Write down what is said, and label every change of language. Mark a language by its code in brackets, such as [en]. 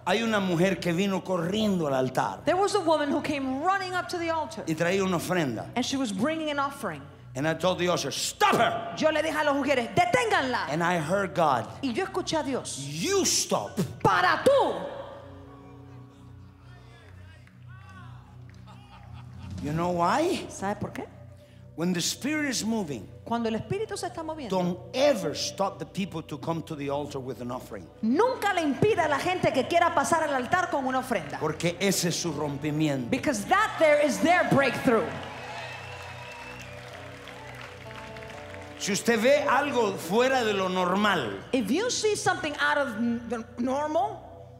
[es] hay una mujer que vino corriendo al altar. [en] There was a woman who came running up to the altar. [es] Y traía una ofrenda. [en] And she was bringing an offering. And I told the usher, stop her. [es] Yo le dije a los mujeres, deténganla. [en] And I heard God. [es] Y yo escuché a Dios. [en] You stop. [es] Para tú. [en] You know why? [es] ¿Sabe por qué? [en] When the Spirit is moving, [es] cuando el Espíritu se está moviendo, [en] don't ever stop the people to come to the altar with an offering. [es] Nunca le impida a la gente que quiera pasar al altar con una ofrenda. Porque ese es su rompimiento. [en] Because that there is their breakthrough. [es] Si usted ve algo fuera de lo normal, [en] if you see something out of the normal,